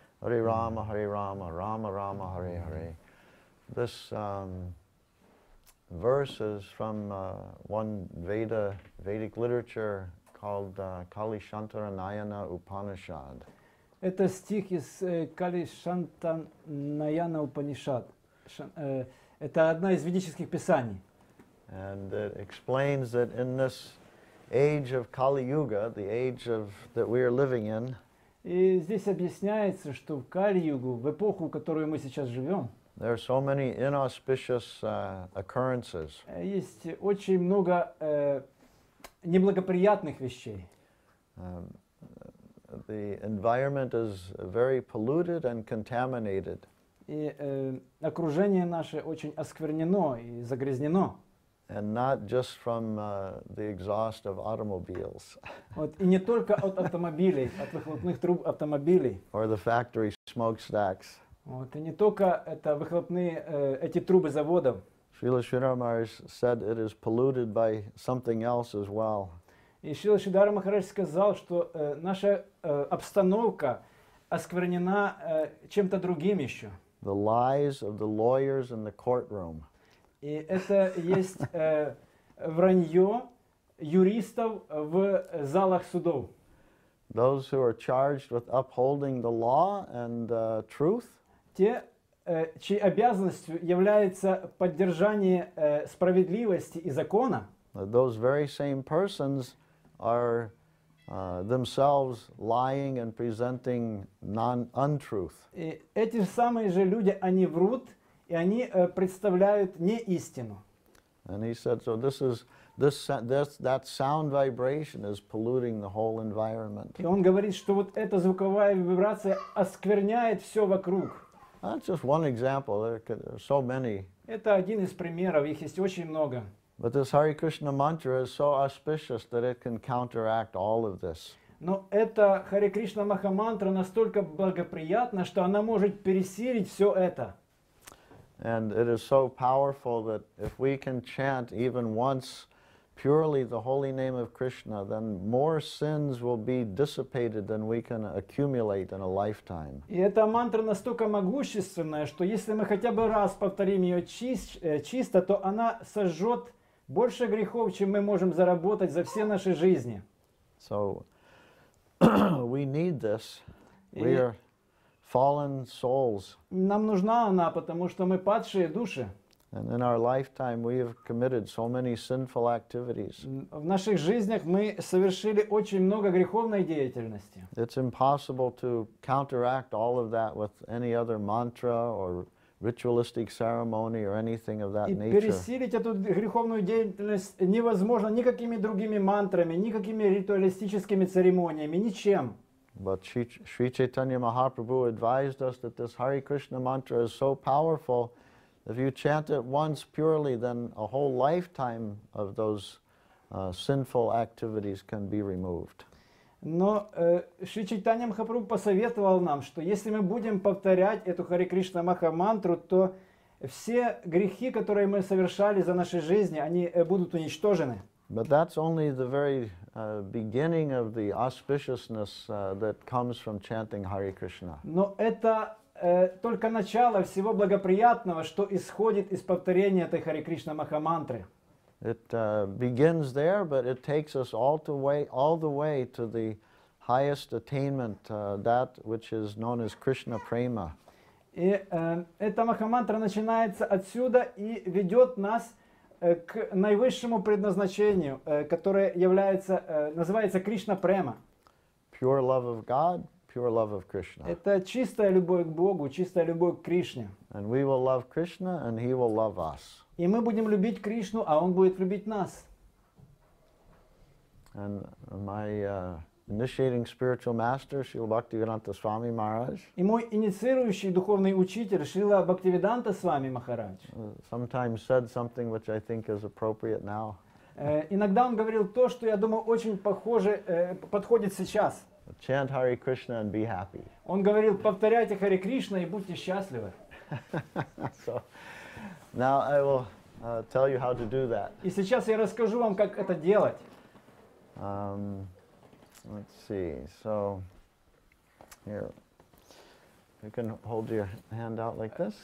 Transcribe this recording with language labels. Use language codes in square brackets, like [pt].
[en] Hare Rama, Hare Rama, Rama Rama, Hare Hare. This verse is from one Vedic literature called Kali Shantara Nayana Upanishad. [ru] Это стих из Kali Shantara Nayana Upanishad. Это одна из ведических писаний. [en] And it explains that in this age of Kali Yuga, the age of that we are living in. [ru] И здесь объясняется, что в Кали-югу, в эпоху, в которую мы сейчас живем, [en] there are so many inauspicious occurrences. [ru] Есть очень много неблагоприятных вещей. [en] The environment is very polluted and contaminated. [ru] И окружение наше очень осквернено и загрязнено. [en] And not just from the exhaust of automobiles. [ru] Вот и не только от автомобилей, от выхлопных труб автомобилей. [en] Or the factory smoke stacks. [ru] Вот и не только это выхлопные эти трубы заводов. [en] Шрила Шридхара Махарадж said it is polluted by something else as well. [ru] И Шрила Шридхара Махарадж сказал, что наша обстановка осквернена чем-то другим еще. [en] The lies of the lawyers in the courtroom. [ru] И это есть вранье юристов в залах судов. [en] Those who are charged with upholding the law and truth. [ru] Те, чьей обязанностью является поддержание справедливости и закона. [en] Those very same persons are themselves lying and presenting untruth. [ru] И эти же самые же люди, они врут. И они представляют не истину. [en] And he said, so that sound vibration is polluting the whole environment. [ru] И он говорит, что вот эта звуковая вибрация оскверняет все вокруг. [en] That's just one example. There are so many. [ru] Это один из примеров, их есть очень много. [en] But this Hare Krishna mantra is so auspicious that it can counteract all of this. [ru] Но эта Hare Krishna Махамантра настолько благоприятна, что она может пересилить все это. [en] And it is so powerful that if we can chant even once purely the holy name of Krishna, then more sins will be dissipated than we can accumulate in a lifetime. [ru] И эта мантра настолько могущественная, что если мы хотя бы раз повторим ее чисто, то она сожжет больше грехов, чем мы можем заработать за все наши жизни. [en] So we need this. We are fallen souls. [ru] Нам нужна она, потому что мы падшие души. [en] And in our lifetime we have committed so many sinful activities. [ru] В наших жизнях мы совершили очень много греховной деятельности. [en] It's impossible to counteract all of that with any other mantra or ritualistic ceremony or anything of that [ru] и [en] nature. [ru] И пересилить эту греховную деятельность невозможно никакими другими мантрами, никакими ритуалистическими церемониями, ничем. [en] But Sri Chaitanya Mahaprabhu advised us that this Hare Krishna mantra is so powerful, if you chant it once purely, then a whole lifetime of those sinful activities can be removed. [ru] Но Шри Чайтанья Махапрабху посоветовал нам, что если мы будем повторять эту Hare Krishna Maha мантру, то все грехи, которые мы совершали за нашей жизни, они будут уничтожены. [en] But that's only the very beginning of the auspiciousness that comes from chanting Hare Krishna. [ru] Но это только начало всего благоприятного, что исходит из повторения этой Hare Krishna Махамантры. [en] It begins there, but it takes us all the way to the highest attainment, that which is known as Krishna Prema. [ru] И эта Махамантра начинается отсюда и ведет нас к наивысшему предназначению, которое является, называется Кришна Према. [en] Pure love of God, pure love of Krishna. [ru] Это чистая любовь к Богу, чистая любовь к Кришне. [en] And we will love Krishna, and He will love us. [ru] И мы будем любить Кришну, а Он будет любить нас. [en] And my Initiating spiritual master Srila Bhaktivedanta Swami Maharaj. [ru] И мой инициирующий духовный учитель Шрила Бхактивиданта Свами Махарадж. [en] Sometimes said something which I think is appropriate now. [ru] Иногда он говорил то, что я думаю очень похоже подходит сейчас. [en] Chant Hare Krishna and be happy. [ru] Он говорил: повторяйте Харе Кришна и будьте счастливы. [en] So, now I will tell you how to do that. [ru] И сейчас я расскажу вам, как это делать. [en] Let's see. So, here, you can hold your hand out like this.